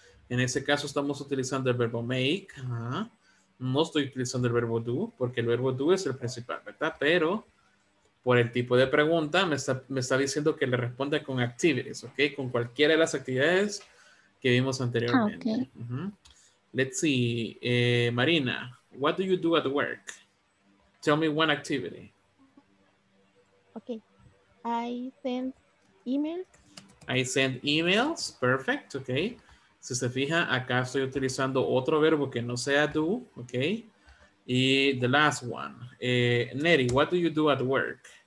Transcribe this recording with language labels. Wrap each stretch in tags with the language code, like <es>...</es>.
<es>En ese caso estamos utilizando el verbo make. Uh-huh. No estoy utilizando el verbo do, porque el verbo do es el principal, ¿verdad? Pero por el tipo de pregunta me está diciendo que le responda con activities, ¿ok? Con cualquiera de las actividades que vimos anteriormente. Okay. Uh-huh.</es> <en>Let's see, Marina, what do you do at work? Tell me one activity. Okay, I send emails. I send emails, perfect, ¿ok?</en> <es>Si se fija, acá estoy utilizando otro verbo que no sea do, ¿ok?</es> <en>Y the last one, Neri, what do you do at work?</en>